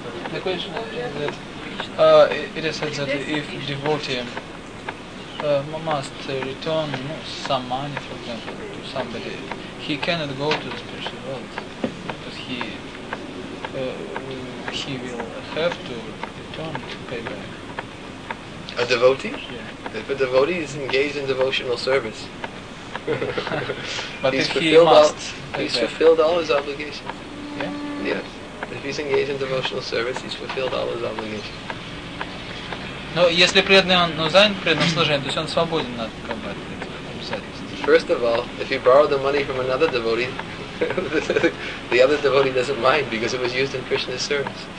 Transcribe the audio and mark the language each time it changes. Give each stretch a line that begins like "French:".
English: The question is that it is said that if devotee must return some money, for example, to somebody, he cannot go to the spiritual world, because he will have to return to pay back. A devotee? Yeah. If a devotee is engaged in devotional service, but he's if fulfilled he must, all, he's fulfilled all his obligations. Yeah. Yes. If he's engaged in devotional service, he's fulfilled all his obligations.
Russian: Но если преданный он, ну, занят преданным служением, то есть он свободен от обязательств.
English: First of all, if he borrowed the money from another devotee, the other devotee doesn't mind because it was used in Krishna's service.